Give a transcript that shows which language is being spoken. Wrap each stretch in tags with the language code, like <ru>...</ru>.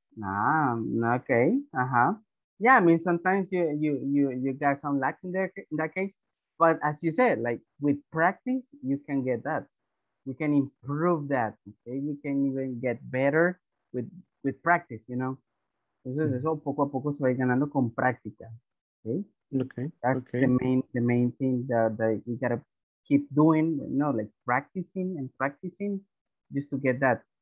<en>Okay, Yeah, I mean, sometimes you got some lack in that case, but as you said, like with practice, you can get that. You can improve that, okay? You can even get better with practice, you know?</en> <es>Entonces, eso poco a poco se va ganando con práctica, okay?</es> <en>Okay, that's okay. The main thing that you gotta keep doing, you know, like practicing just to get that.</en>